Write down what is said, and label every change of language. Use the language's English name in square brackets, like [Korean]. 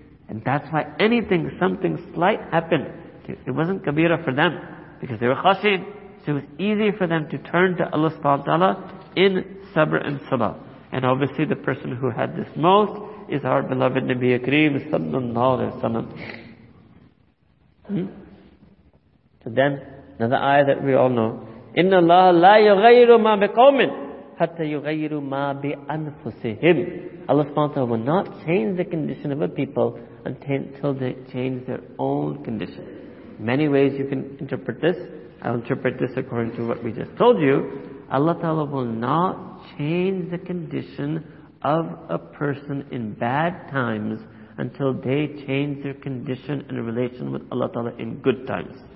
[English] And that's why anything, something slight happened, it wasn't kabira for them, because they were khashin. So it was easy for them to turn to Allah subhanahu wa ta'ala in sabr and salah. And obviously the person who had this most is our beloved Nabi Akreem sallallahu alayhi wa sallam. So then, another ayah that we all know, [Arabic] إِنَّ اللَّهَ لَا يُغَيِّرُ مَا بِقَوْمٍ حَتَّى يُغَيِّرُ مَا بِأَنفُسِهِمْ. [English] Allah subhanahu wa ta'ala will not change the condition of a people until they change their own condition. Many ways you can interpret this. I'll interpret this according to what we just told you. Allah ta'ala will not change the condition of a person in bad times until they change their condition and relation with Allah ta'ala in good times.